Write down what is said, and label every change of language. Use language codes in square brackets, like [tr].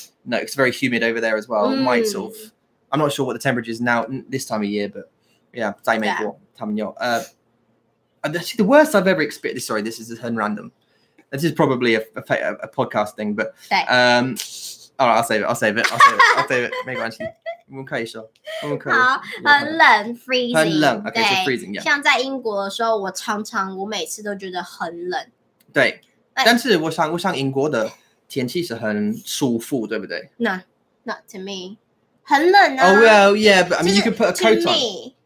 [en] No, it's very humid over there as well. Might sort of. I'm not sure what the temperature is now this time of year, but yeah, [zh] 在美国他们有 [en] actually, the worst I've ever experienced. Sorry, this is很random. This is probably a podcast thing, but all right, I'll save it. [zh] 没关系，我们可以说，我们可以。好，很冷 ，freezing。很冷 [en] ，okay, so freezing. Yeah. [zh] 像在英国的时候，我常常我每次都觉得很冷。对，但是我想英国的天气是很舒服，对不对 [en] ？No, not to me. [zh] 很冷啊。 [en] Oh well, yeah, but I mean, you could put a coat on.